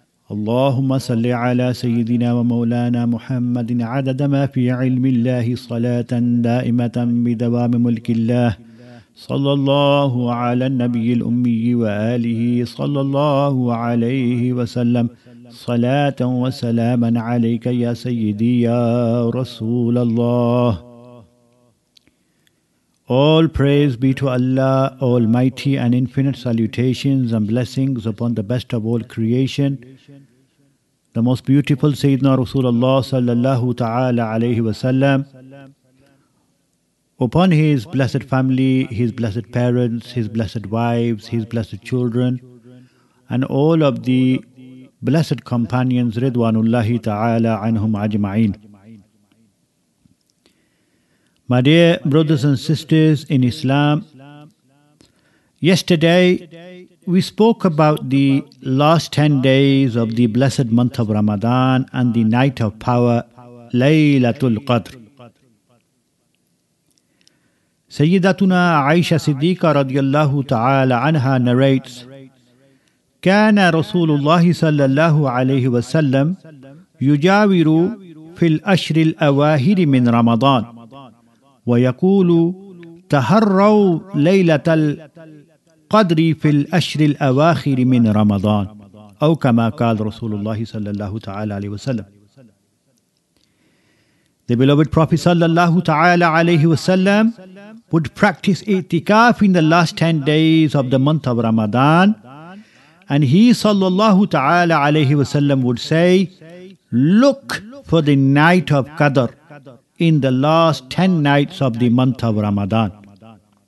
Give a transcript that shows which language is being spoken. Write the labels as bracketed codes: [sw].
[ar] اللهم صل على سيدنا ومولانا محمد عدد ما في علم الله، صلاة دائمة بدوام ملك الله، صلى الله على النبي الأمي وآله صلى الله عليه وسلم، صلاة وسلاما عليك يا سيدي يا رسول الله. [en] All praise be to Allah Almighty, and infinite salutations and blessings upon the best of all creation, the most beautiful Sayyidina Rasulullah sallallahu ta'ala alayhi wa sallam, upon his blessed family, his blessed parents, his blessed wives, his blessed children, and all of the blessed companions, ridwanullahi ta'ala anhum ajma'in. My dear brothers and sisters in Islam, yesterday we spoke about the last 10 days of the blessed month of Ramadan and the night of power, Laylatul Qadr. Sayyidatuna Aisha Siddiqa radiallahu ta'ala anha narrates, [ar] كان رسول الله صلى الله عليه وسلم يجاور في الأشر الأواخر من رمضان ويقول تهروا ليلة القدر في الأشر الأواخر من رمضان أو كما قال رسول الله صلى الله عليه وسلم. [en] The beloved Prophet صلى الله عليه وسلم would practice itikaf in the last 10 days of the month of Ramadan, and he sallallahu ta'ala alayhi wa sallam would say, look for the night of Qadr in the last 10 nights of the month of Ramadan.